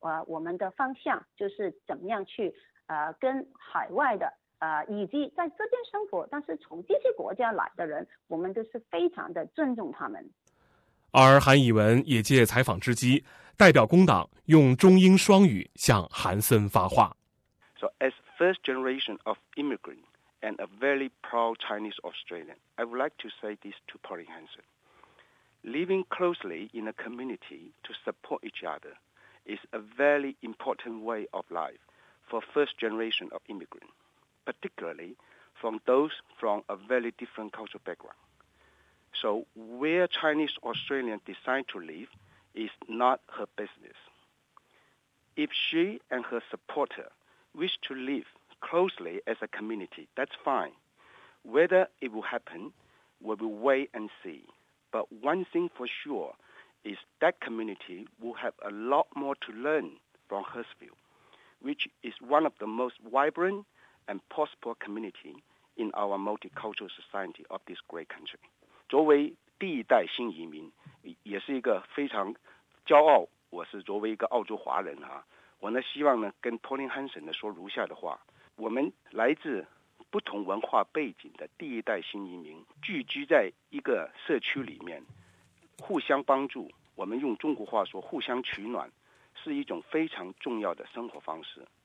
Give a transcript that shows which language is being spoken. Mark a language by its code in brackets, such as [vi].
[zh] 我们的方向就是怎么样去跟海外的以及在这边生活但是从这些国家来的人，我们都是非常的尊重他们。而韩以文也借采访之机代表工党用中英双语向韩森发话。 [en] So as first generation of immigrant and a very proud Chinese Australian, I would like to say this to Pauline Hanson. Living closely in a community to support each other is a very important way of life for first generation of immigrants, particularly from those from a very different cultural background. So where Chinese Australian decide to live is not her business. If she and her supporter wish to live closely as a community, that's fine. Whether it will happen, we will wait and see. But one thing for sure,is that community will have a lot more to learn from Hurstville, which is one of the most vibrant and prosperous communities in our multicultural society of this great country. [zh] 作为第一代新移民，也是一个非常骄傲，我是作为一个澳洲华人啊，我呢希望呢跟 Pauline Hanson 呢说如下的话，我们来自不同文化背景的第一代新移民，聚居在一个社区里面，互相帮助，我们用中国话说互相取暖，是一种非常重要的生活方式。